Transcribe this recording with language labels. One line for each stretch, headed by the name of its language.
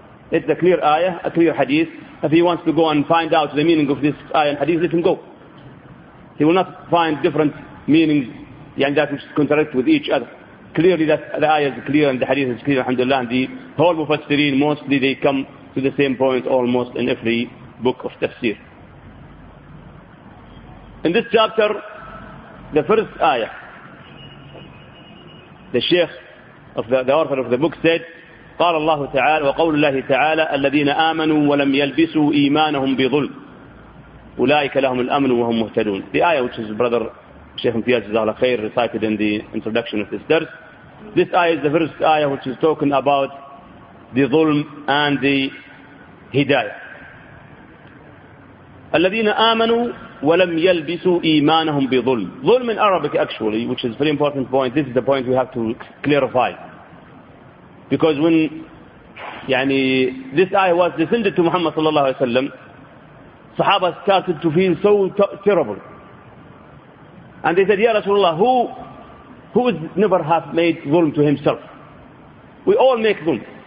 English: It's a clear ayah, a clear hadith. If he wants to go and find out the meaning of this ayah and hadith, let him go. He will not find different meanings, yani that which contradict with each other. Clearly that the ayah is clear and the hadith is clear, alhamdulillah. And the whole mufassirin, mostly they come to the same point almost in every book of tafsir. In this chapter, the first ayah, the sheikh of the author of the book said,
Arabic: قال الله تعالى وقول الله تعالى الذين آمنوا ولم يلبسوا إيمانهم بظلم أولئك لهم الأمن وهم مهتدون.
English: The ayah which is brother Sheikh Mfiyaz Zahla Khair recited in the introduction of this dars. This ayah is the first ayah which is talking about the ظلم and the هداية.
Arabic: الذين آمنوا ولم يلبسوا إيمانهم بظلم.
English: ظلم in Arabic actually, which is a very important point. This is the point we have to clarify. Because when this ayah was descended to Muhammad sallallahu alayhi wa sallam, Sahaba started to feel so terrible. And they said, Ya Rasulullah, who is never have made zulm to himself? We all make zulm.